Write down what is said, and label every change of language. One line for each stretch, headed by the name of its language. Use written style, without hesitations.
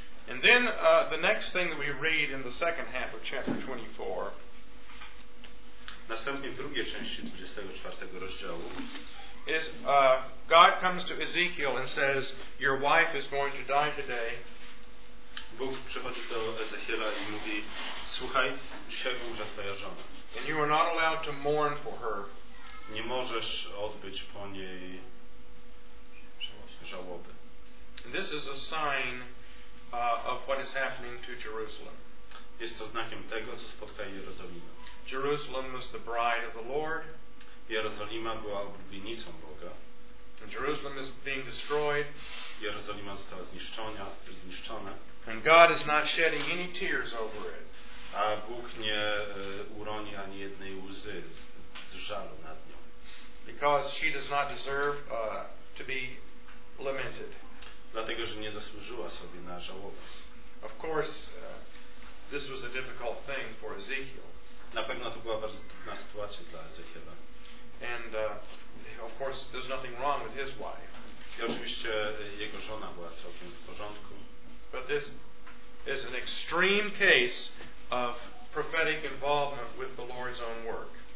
English: And then the next thing that we read in the second half of chapter 24.
Polish: Następnie w drugiej części 24 rozdziału
English: is God comes to Ezekiel and says, your wife is going to die today.
Polish: Bóg przychodzi do Ezechiela i mówi: słuchaj, dzisiaj umrze twoja żona.
English: And you are not allowed to mourn for her.
Polish: Nie możesz odbyć po niej żałoby.
English: And this is a sign of what is happening to Jerusalem.
Polish: Jest to znakiem tego, co spotka Jerozolimę.
English: Jerusalem was the bride of the Lord.
Polish: Jerozolima była oblubienicą Boga.
English: And Jerusalem is being destroyed.
Polish: Jerozolima została zniszczona.
English: And God is not shedding any tears over it.
Polish: A Bóg nie uroni ani jednej łzy z żalu nad nią.
English: Because she does not deserve to be lamented.
Polish: Dlatego, że nie zasłużyła sobie na żałobę.
English: Of course, this was a difficult thing for Ezekiel.
Polish: Na pewno to była bardzo trudna sytuacja dla Ezechiela.
English: And of course, there's nothing wrong with his wife.
Polish: I oczywiście jego żona była całkiem w porządku.
English: But this is an extreme case of prophetic involvement with the Lord's own work.